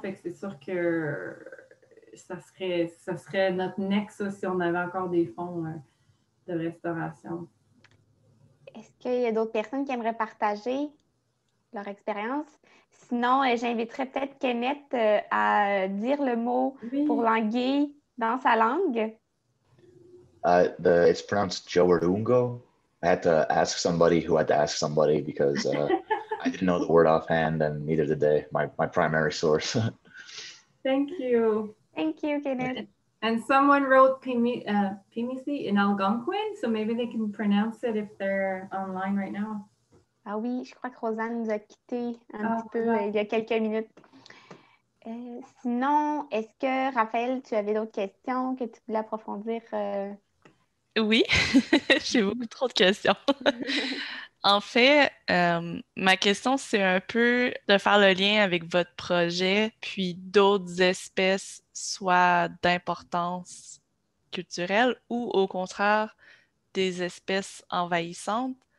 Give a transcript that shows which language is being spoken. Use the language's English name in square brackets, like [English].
[French] Fait que c'est sûr que ça serait notre next, ça, si on avait encore des fonds de restauration. Est-ce qu'il y a d'autres personnes qui aimeraient partager leur expérience? Sinon, j'inviterais peut-être Kenneth à dire le mot pour l'anguille dans sa langue. [English] It's pronounced Jowarungo. I had to ask somebody who had to ask somebody because I didn't know the word offhand and neither did they, my primary source. Thank you. Thank you, Kenneth. And someone wrote Pimisi in Algonquin, so maybe they can pronounce it if they're online right now. [French] Ah oui, je crois que Rosanne nous a quitté un petit peu il y a quelques minutes. Sinon, est-ce que Raphaël, tu avais d'autres questions que tu voulais approfondir? Oui, j'ai beaucoup trop de questions. En fait, ma question, c'est un peu de faire le lien avec votre projet, puis d'autres espèces soient d'importance culturelle ou au contraire, des espèces envahissantes.